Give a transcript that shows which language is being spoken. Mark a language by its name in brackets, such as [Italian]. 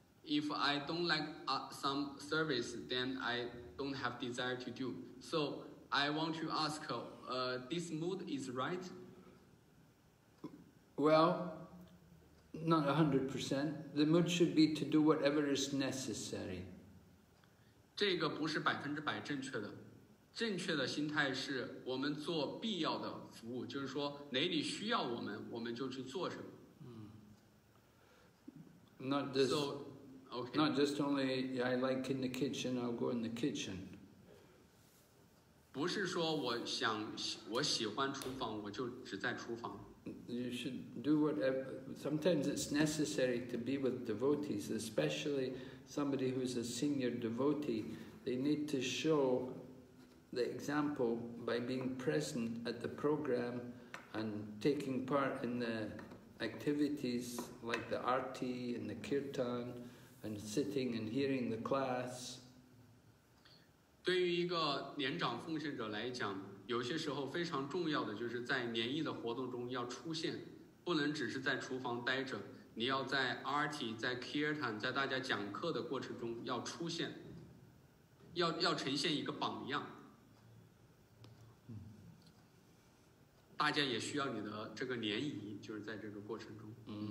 [English] If I don't like some service, then I don't have desire to do. So I want to ask, this mood is right? Well. Not 100%. The mood should be to do whatever is necessary. [Chinese] 这个不是百分之百正确的。正确的心态是我们做必要的服务，就是说哪里需要我们，我们就去做什么。 [English] Not just, okay. Not just only I like in the kitchen, I'll go in the kitchen. [Chinese] 不是说我喜欢厨房，我就只在厨房。 [English] You should do whatever. Sometimes it's necessary to be with devotees, especially somebody who's a senior devotee. They need to show the example by being present at the program and taking part in the activities like the arti and the kirtan and sitting and hearing the class. [Chinese] 对于一个年长奉献者来讲，有些时候非常重要的就是在年谒的活动中要出现，不能只是在厨房待着，你要在 arti 在 kirtan 在大家讲课的过程中要出现，要呈现一个榜样，大家也需要你的这个联谊，就是在这个过程中。